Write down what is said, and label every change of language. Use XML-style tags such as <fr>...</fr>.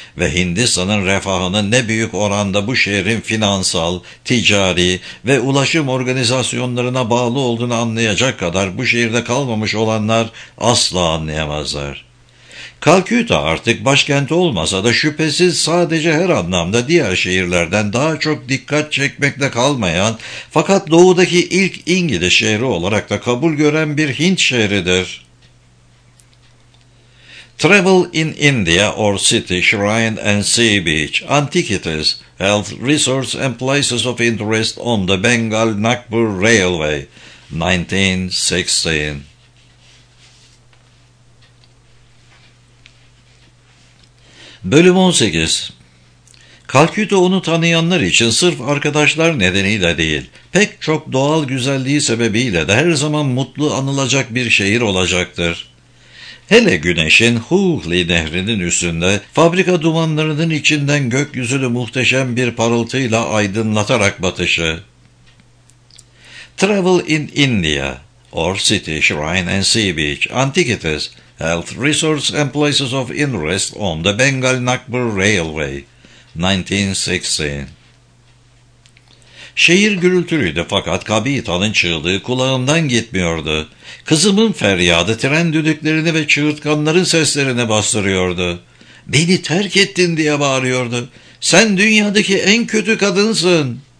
<tr>ve Hindistan'ın refahının ne büyük oranda bu şehrin finansal, ticari ve ulaşım organizasyonu onlarına bağlı olduğunu anlayacak kadar bu şehirde kalmamış olanlar asla anlayamazlar. Kalküta artık başkenti olmasa da şüphesiz sadece her anlamda diğer şehirlerden daha çok dikkat çekmekte kalmayan fakat doğudaki ilk İngiliz şehri olarak da kabul gören bir Hint şehridir.</tr> <en>Travel in India or City, Shrine and Sea Beach, Antiquities, Health, Resorts and Places of Interest on the Bengal-Nagpur Railway, 1916.</en> <tr>Bölüm 18. Kalküta onu tanıyanlar için sırf arkadaşlar nedeniyle değil, pek çok doğal güzelliği sebebiyle de her zaman mutlu anılacak bir şehir olacaktır. Hele güneşin Hooghly nehrinin üstünde fabrika dumanlarının içinden gökyüzünü muhteşem bir parıltıyla aydınlatarak batışı.</tr> <en>Travel in India or City, Shrine and Sea Beach, Antiquities, Health, Resorts and Places of Interest on the Bengal-Nagpur Railway, 1916.</en> <tr>Şehir gürültülüydü fakat Kabitan'ın çığlığı kulağımdan gitmiyordu. Kızımın feryadı tren düdüklerini ve çığırtkanların seslerini bastırıyordu. Beni terk ettin diye bağırıyordu. Sen dünyadaki en kötü kadınsın.</tr>